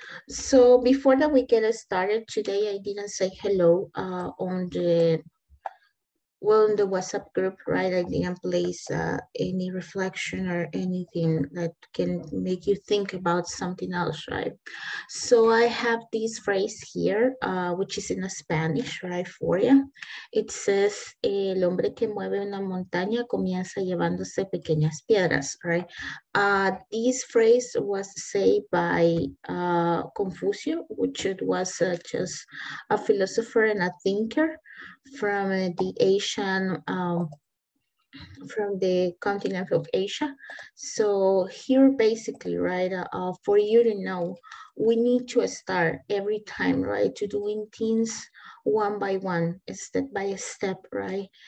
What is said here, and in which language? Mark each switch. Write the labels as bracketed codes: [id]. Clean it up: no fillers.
[en] So, before that we get started today, I didn't say hello on the, well, in the WhatsApp group, right? I didn't place any reflection or anything that can make you think about something else, right? So, I have this phrase here, which is in Spanish, right, for you. It says, [es] el hombre que mueve una montaña comienza llevándose pequeñas piedras, right? [en] This phrase was said by Confucius, which it was just a philosopher and a thinker from the Asian, from the continent of Asia. So here basically, right, for you to know, we need to start every time, right, to doing things one by one, step by step, right?